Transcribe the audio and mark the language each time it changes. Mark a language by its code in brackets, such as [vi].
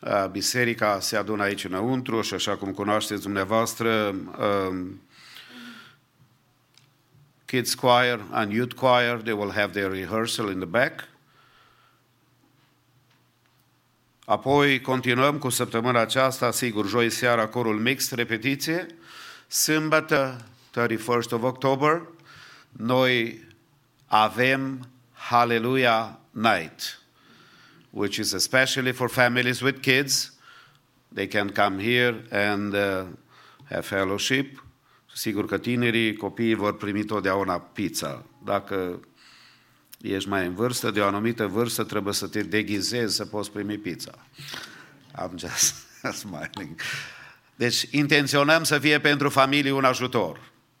[ro] Biserica se adună aici înăuntru și așa cum cunoașteți dumneavoastră, [en] Kids Choir and Youth Choir, they will have their rehearsal in the back. [ro] Apoi continuăm cu săptămâna aceasta, sigur, joi seara, corul mixt, repetiție. Sâmbătă, [en] 31st of October, [ro] noi avem Hallelujah Night, [en] which is especially for families with kids. They can come here and have fellowship. [ro] Sigur că tinerii, copiii vor primi totdeauna pizza. Dacă ești mai în vârstă, de o anumită vârstă, trebuie să te deghizezi să poți primi pizza. [en] I'm just smiling. [ro] Deci intenționăm să fie pentru familie un ajutor.